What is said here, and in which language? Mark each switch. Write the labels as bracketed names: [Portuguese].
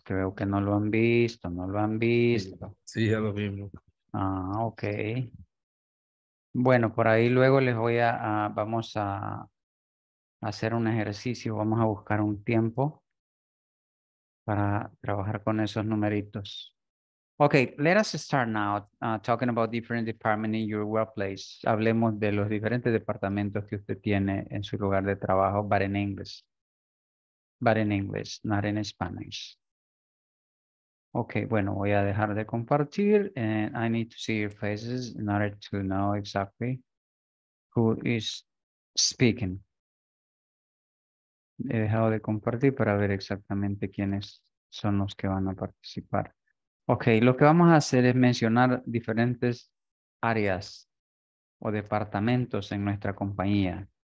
[Spanish] Creo que no lo han visto, no lo han visto. Sí, ya lo vimos. Ah, ok. Bueno, por ahí luego les voy a vamos a hacer un ejercicio. Vamos a buscar un tiempo para trabajar con esos numeritos. [English] Ok, let us start now talking about different departments in your workplace. [Spanish] Hablemos de los diferentes departamentos que usted tiene en su lugar de trabajo, [English] but in English. But in English, not in Spanish. Ok, [Spanish] bueno, voy a dejar de compartir [English] and I need to see your faces in order to know exactly who is speaking. [Spanish] He dejado de compartir para ver exactamente quiénes son los que van a participar. Ok, lo que vamos a hacer es mencionar diferentes áreas o departamentos en nuestra compañía.